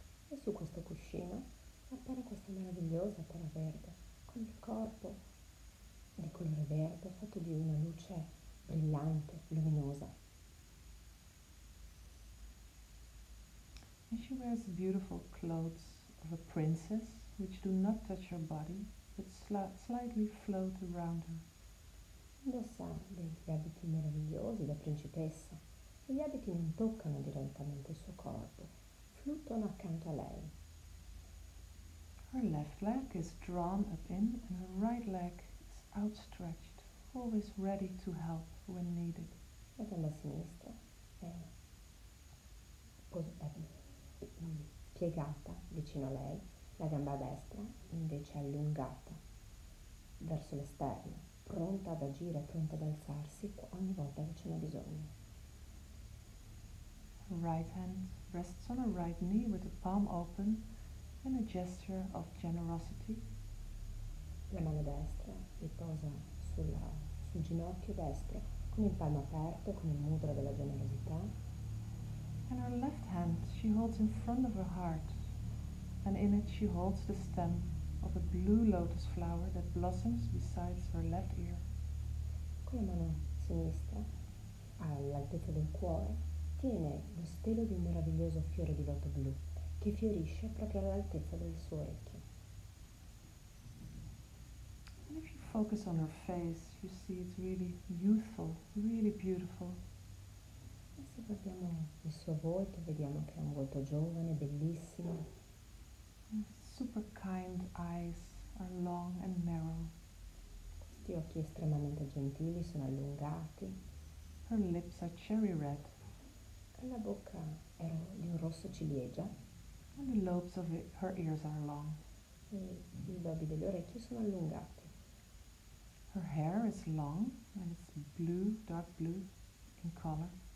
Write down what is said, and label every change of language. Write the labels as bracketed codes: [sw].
[it] E su questo cuscino appare questa meravigliosa Tara verde con il corpo di colore verde fatto di una luce brillante, luminosa. [en] And she wears beautiful clothes of a princess which do not touch her body but slightly float around her. [it] Indossa degli abiti meravigliosi da principessa e gli abiti non toccano direttamente il suo corpo, fluttuano accanto a lei. [en] Her left leg is drawn up in and her right leg is outstretched, always ready to help when needed. [it] La gamba sinistra è piegata vicino a lei, la gamba destra invece allungata verso l'esterno, pronta ad agire, pronta ad alzarsi ogni volta che ce n'è bisogno. [en] Right hand rests on her right knee with the palm open in a gesture of generosity. [it] La mano destra riposa sul ginocchio destro con il palmo aperto, con il mudra della generosità. [en] And her left hand she holds in front of her heart, and in it she holds the stem of a blue lotus flower that blossoms beside her left ear. [it] Con la mano sinistra, all'altezza del cuore, tiene lo stelo di un meraviglioso fiore di loto blu che fiorisce proprio all'altezza del suo orecchio. [en] And if you focus on her face, you see it's really youthful, really beautiful. [it] E se guardiamo il suo volto, vediamo che è un volto giovane, bellissimo. [en] Super kind eyes are long and narrow. [it] Questi occhi estremamente gentili sono allungati. [en] Her lips are cherry red. [it] E la bocca è di un rosso ciliegia. [en] And the lobes of her ears are long. [it] E i lobi delle orecchie sono allungati. [en] Her hair is long and it's blue, dark blue in color.